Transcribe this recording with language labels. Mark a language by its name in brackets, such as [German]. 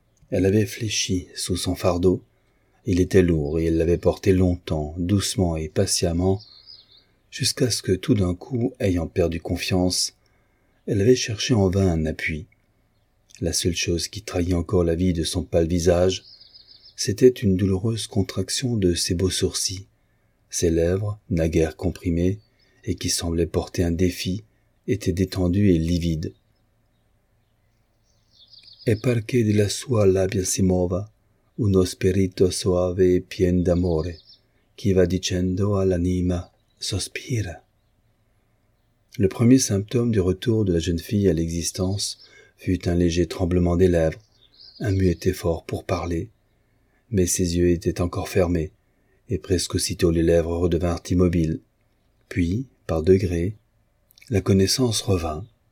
[French] Elle avait fléchi sous son fardeau. Il était lourd et elle l'avait porté longtemps, doucement et patiemment, jusqu'à ce que tout d'un coup, ayant perdu confiance, elle avait cherché en vain un appui. La seule chose qui trahit encore la vie de son pâle visage, c'était une douloureuse contraction de ses beaux sourcils, ses lèvres, naguère comprimées, et qui semblaient porter un défi, étaient détendues et livides. [Italian] « E perché de la sua labbia si muova ?» Uno spirito soave e pien d'amore, qui va dicendo all'anima, sospira. [French] Le premier symptôme du retour de la jeune fille à l'existence fut un léger tremblement des lèvres, un muet effort pour parler. Mais ses yeux étaient encore fermés, et presque aussitôt les lèvres redevinrent immobiles. Puis, par degrés, la connaissance revint.